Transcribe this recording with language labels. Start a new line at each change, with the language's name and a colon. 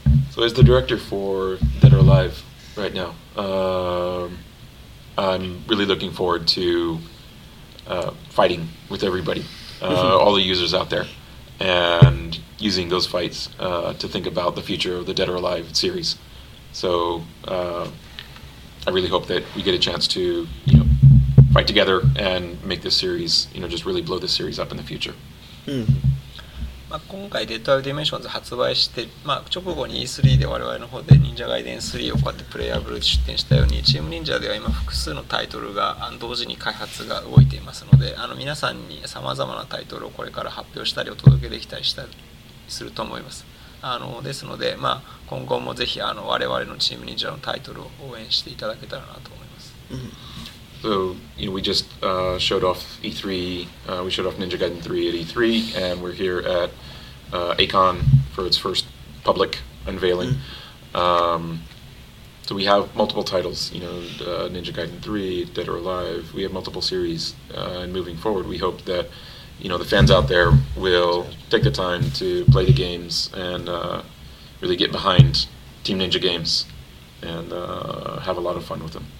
English: So as the director for Dead or Alive right now, I'm really looking forward to fighting with everybody, all the users out there, and using those fights to think about the future of the Dead or Alive series. So I really hope that we get a chance to, you know, fight together and make this series, you know, just really blow this series up in the future. Mm.
Japanese: まあ、今回デッドアウディメンションズ発売して、まあ、直後に E3 で我々の方で忍者ガイデン3をこうやってプレイアブル出展したように、チーム忍者では今複数のタイトルが同時に開発が動いていますので、皆さんにさまざまなタイトルをこれから発表したりお届けできたりしたりすると思います。ですので、まあ、今後もぜひ我々のチーム忍者のタイトルを応援していただけたらなと思います。
English: So, you know, we just showed off E3, we showed off Ninja Gaiden 3 at E3, and we're here at Akon for its first public unveiling. So we have multiple titles, you know, Ninja Gaiden 3, Dead or Alive, we have multiple series, and moving forward, we hope that, you know, the fans out there will take the time to play the games and really get behind Team Ninja Games and have a lot of fun with them.